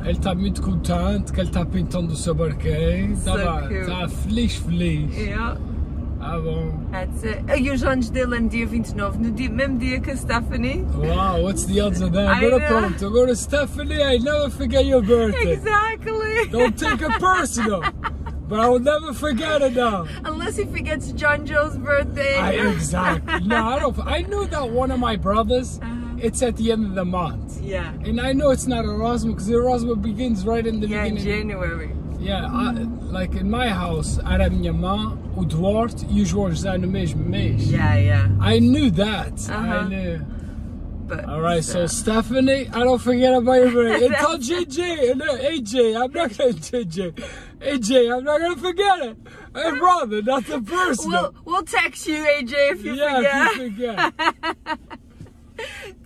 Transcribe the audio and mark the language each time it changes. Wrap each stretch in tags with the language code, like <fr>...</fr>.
<pt>Ele está muito contente que ele está pintando o seu barquinho.</pt> <en>So</en> <pt>tá feliz, feliz.</pt> <en>Yeah.</en> <pt>Ah, bom.</pt> <en>That's it.</en> <pt>E os anos dele no dia 29, no mesmo dia que a Stephanie.</pt> <en>Wow, what's the odds of that?</en> <pt>Agora pronto, agora</pt> <en>Stephanie, I never forget your birthday. Exactly. Don't take it personal. But I will never forget it now. Unless he forgets John Joe's birthday. Exactly. No, I don't. I knew that one of my brothers, it's at the end of the month. Yeah. And I know it's not Erasmus, because Erasmus begins right in the beginning. Yeah, in January. Yeah, like in my house,</en> <pt>era minha mãe, o Duarte e o Jorge Zé no mesmo mês.</pt> <en>Yeah, yeah. I knew that. Uh-huh. I knew. But alright, so Stephanie, I don't forget about your birthday. And tell JJ, no, AJ, I'm not going to, AJ, I'm not going to forget it. Hey, brother, not the person. We'll text you, AJ, if you forget. Yeah, if you forget.</en>